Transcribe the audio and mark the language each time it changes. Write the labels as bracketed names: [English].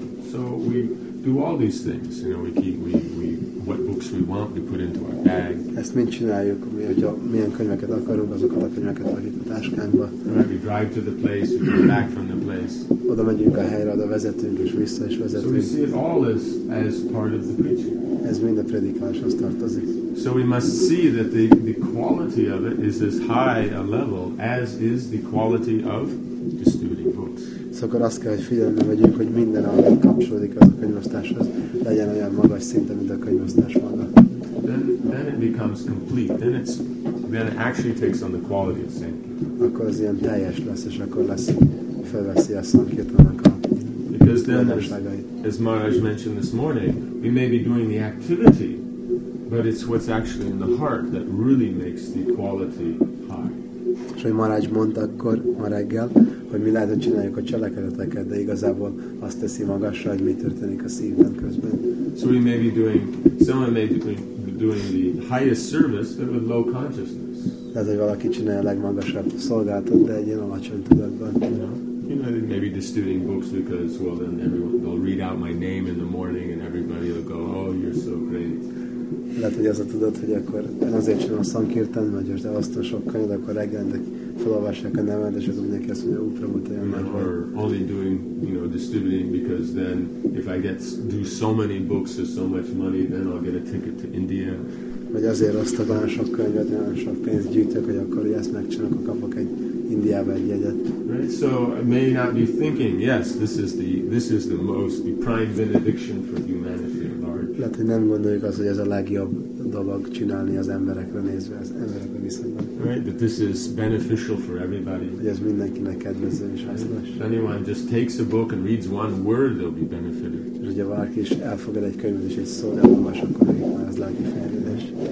[English] So we do all these things, you know, we keep, we what books we want, we put into our bag. [Hungarian] Ezt mind csináljuk, mi, hogyha milyen könyveket akarunk, azokat a könyveket rakjuk a táskánkba. [English] Right, we drive to the place, we go back from the place. [Hungarian] Oda megyünk a helyre, oda vezetünk, és vissza is vezetünk. [English] So we see it all as part of the preaching. [Hungarian] Ez mind a predikáláshoz tartozik. [English] So we must see that the quality of it is as high a level as is the quality of distributing books. [Hungarian] Szóval azt kell, hogy figyelembe vegyünk, hogy minden, ami kapcsolódik az a könyvosztáshoz, legyen olyan magas szinten, mint a könyvosztás maga. [English] Then it becomes complete. Then it actually takes on the quality of Sankirtan. [Hungarian] Akkor az ilyen teljes lesz, és akkor lesz felveszi a szankirtanak a lehetőségeit. [English] As Maharaj mentioned this morning, we may be doing the activity, but it's what's actually in the heart that really makes the quality high. [Hungarian] És hogy Maharaj mondta akkor ma reggel, hogy mi lehet, hogy csináljuk a cselekedeteket, de igazából azt teszi magasra, hogy mi történik a szívben közben. [English] So we may be doing, someone may be doing the highest service, but with low consciousness. [Hungarian] Lehet, hogy valaki csinálja a legmagasabb szolgáltat, de egy ilyen alacsony tudatban. [English] You know, maybe just studying books because, well, then everyone, they'll read out my name in the morning and everybody will go, oh, you're so great. [Hungarian] Lehet, hogy az a tudat, hogy akkor én azért csinálom a szankirtan, vagy most elosztom sok könyvet, akkor reggelendek, felolvassák a nemet, és akkor mindenki azt mondja, ó, Prabhu, te jön meg. [English] Or only doing, you know, distributing because then if I get do so many books or so much money, then I'll get a ticket to India. [Hungarian] Vagy azért osztok olyan sok könyvet, olyan sok pénzt gyűjtök, hogy akkor ezt megcsinálok, akkor kapok egy Indiába egy jegyet. [English] Right, so I may not be thinking, yes, this is the most, the prime benediction for humanity at large. [Hungarian] Lehet, hogy nem gondoljuk azt, hogy ez a legjobb dolog csinálni az emberekre nézve, az emberekre viszonylag. [English] Right, that this is beneficial for everybody. [Hungarian] Hogy ez mindenkinek kedvező és hasznos. [English] If anyone just takes a book and reads one word, they'll be benefited. [Hungarian] És hogyha valaki is elfogad egy könyvet és egy szót elolvas, akkor már az lelki fejlődés.